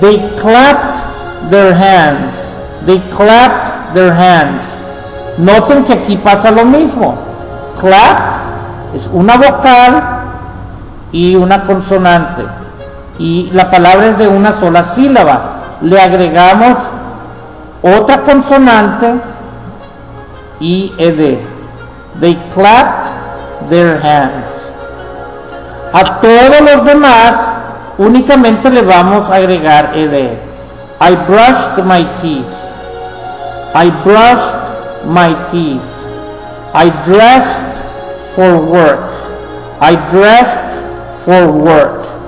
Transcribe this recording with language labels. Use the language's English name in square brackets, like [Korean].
[English] They clapped their hands. They clapped their hands. [Spanish] Noten que aquí pasa lo mismo. Clap es una vocal y una consonante. Y la palabra es de una sola sílaba. Le agregamos otra consonante y ed. [English] They clapped their hands. [Spanish] A todos los demás únicamente le vamos a agregar ed. [English] I brushed my teeth. I brushed my teeth. I dressed for work. I dressed for work.